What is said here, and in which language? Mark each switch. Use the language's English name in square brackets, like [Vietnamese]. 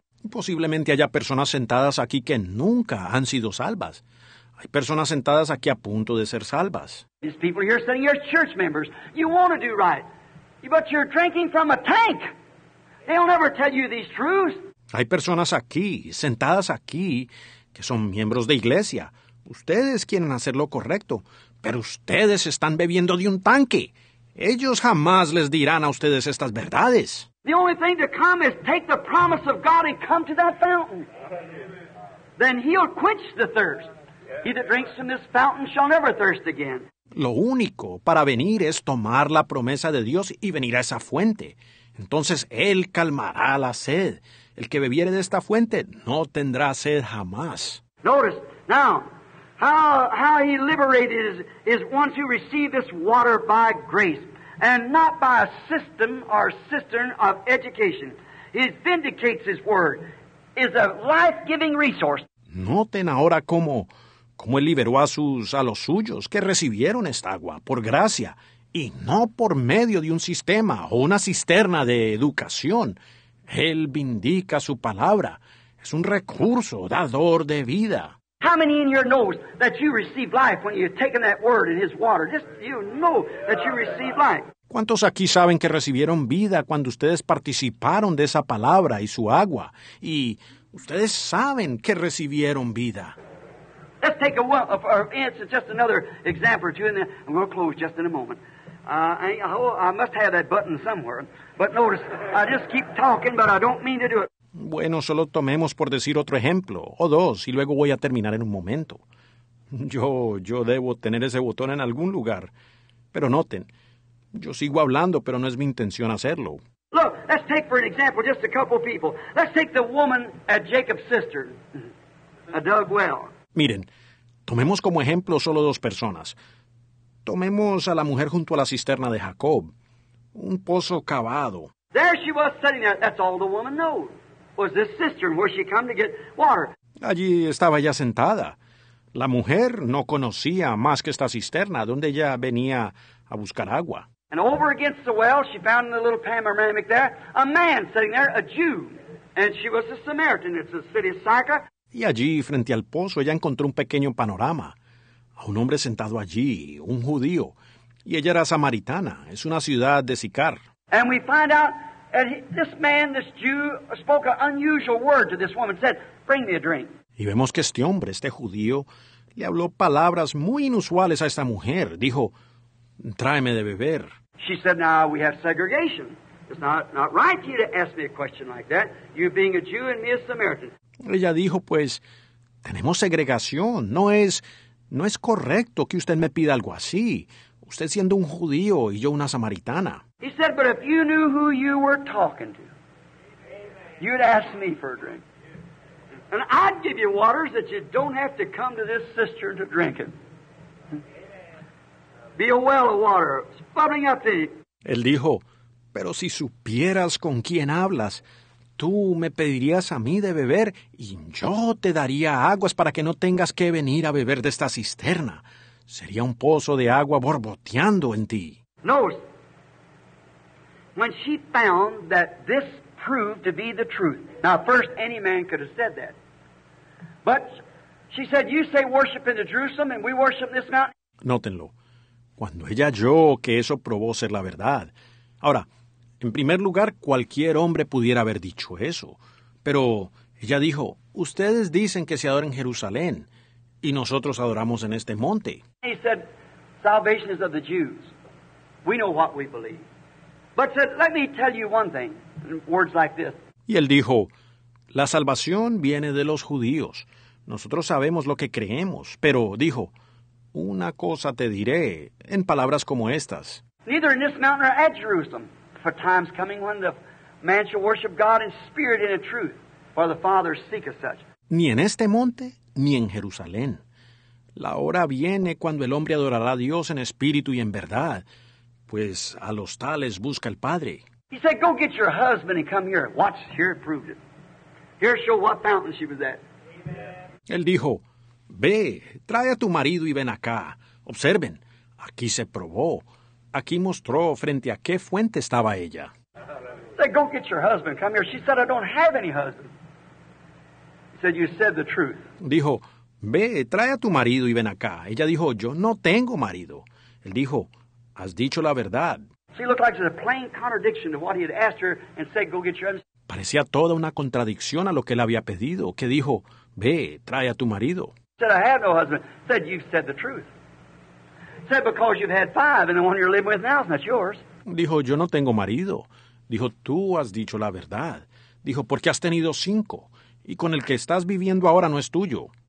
[Spanish] Posiblemente haya personas sentadas aquí que nunca han sido salvas. Hay personas sentadas aquí a punto de ser salvas. [English] These people here sitting here are church members. You want to do right. But you're drinking from a tank. They'll never tell you these truths. [Spanish] Hay personas aquí, sentadas aquí, que son miembros de iglesia. Ustedes quieren hacer lo correcto, pero ustedes están bebiendo de un tanque. Ellos jamás les dirán a ustedes estas verdades. [English] The only thing to come is take the promise of God and come to that fountain. Then He'll quench the thirst. He that drinks from this fountain shall never thirst again. [Spanish] Lo único para venir es tomar la promesa de Dios y venir a esa fuente. Entonces, Él calmará la sed. El que bebiere de esta fuente no tendrá sed jamás. [English] Notice, now, how He liberated is one who received this water by grace, and not by a system or cistern of education. He vindicates His word, is a life-giving resource. [Spanish] Noten ahora cómo Él liberó a los suyos que recibieron esta agua por gracia y no por medio de un sistema o una cisterna de educación. Él vindica su palabra. Es un recurso dador de vida. [English] How many in here knows that you receive life when you've taken that word in His water? Just you know that you receive life. [Spanish] ¿Cuántos aquí saben que recibieron vida cuando ustedes participaron de esa palabra y su agua? Y ustedes saben que recibieron vida. [English] Let's take just another example or two, and then we'll close just in a moment. I must have that button somewhere, but notice, I just keep talking, but I don't mean to do it. [Spanish] Bueno, solo tomemos por decir otro ejemplo, o dos, y luego voy a terminar en un momento. Yo debo tener ese botón en algún lugar. Pero noten, yo sigo hablando, pero no es mi intención hacerlo. [English] Look, let's take for an example just a couple of people. Let's take the woman at Jacob's sister, a dug well. [Spanish] Miren, tomemos como ejemplo solo dos personas. Tomemos a la mujer junto a la cisterna de Jacob, un pozo cavado. [English] There she was sitting there. That's all the woman knows. Was this cistern where she come to get water? [Spanish] Allí estaba ya sentada. La mujer no conocía más que esta cisterna donde ella venía a buscar agua. [English] And over against the well, she found in the little panoramic there a man sitting there, a Jew, and she was a Samaritan. It's the city of Sychar. [Spanish] Y allí frente al pozo ella encontró un pequeño panorama. A un hombre sentado allí, un judío, y ella era samaritana, es una ciudad de Sicar. [English] And we find out that this man, this Jew, spoke an unusual word to this woman, said, bring me a drink. [Spanish] Y vemos que este hombre, este judío, le habló palabras muy inusuales a esta mujer. Dijo, tráeme de beber. [English] She said, now we have segregation. It's not right for you to ask me a question like that, you being a Jew and me a Samaritan. [Spanish] Ella dijo, pues, tenemos segregación, no es correcto que usted me pida algo así, usted siendo un judío y yo una samaritana. [English] He said, but if you knew who you were talking to, you'd ask me for a drink. And I'd give you waters that you don't have to come to this cistern to drink it. Be a well of water, bubbling up to you. [Spanish] Él dijo, pero si supieras con quién hablas, tú me pedirías a mí de beber y yo te daría aguas para que no tengas que venir a beber de esta cisterna. Sería un pozo de agua borboteando en ti. No. [English] When she found that this proved to be the truth. Now, first, any man could have said that. But she said, you say worship in the Jerusalem and we worship this mountain. [Spanish] Nótenlo. Cuando ella oyó que eso probó ser la verdad. Ahora, en primer lugar, cualquier hombre pudiera haber dicho eso. Pero ella dijo, ustedes dicen que se adora en Jerusalén, y nosotros adoramos en este monte. [English] He said, salvation is of the Jews. We know what we believe. But said, let me tell you one thing, in words like this. [Spanish] Y él dijo, la salvación viene de los judíos. Nosotros sabemos lo que creemos. Pero dijo, una cosa te diré, en palabras como estas. [English] Neither in this mountain or at Jerusalem. For time's coming when the man shall worship God in spirit and in truth, for the Father seeketh such. [Spanish] Ni en este monte, ni en Jerusalén. La hora viene cuando el hombre adorará a Dios en espíritu y en verdad, pues a los tales busca el Padre. [English] He said, go get your husband and come here. Watch, here it proved it. Here show what fountain she was at. Amen. [Spanish] Él dijo, ve, trae a tu marido y ven acá. Observen, aquí se probó. Aquí mostró frente a qué fuente estaba ella. [English] Said, go get your husband. Come here. She said, I don't have any husband. He said, you said the truth. [Spanish] Dijo, ve, trae a tu marido y ven acá. Ella dijo, yo no tengo marido. Él dijo, has dicho la verdad. [English] She looked like it was a plain contradiction to what he had asked her and said, go get your husband. [Spanish] Parecía toda una contradicción a lo que él había pedido, que dijo, ve, trae a tu marido. [English] Said, I have no husband. Said, you've said the truth. Said, because you've had five, and the one you're living with now is not yours. [Spanish] Dijo, yo no tengo marido. Dijo, tú has dicho la verdad. Dijo, porque has tenido cinco, y con el que estás viviendo ahora no es tuyo.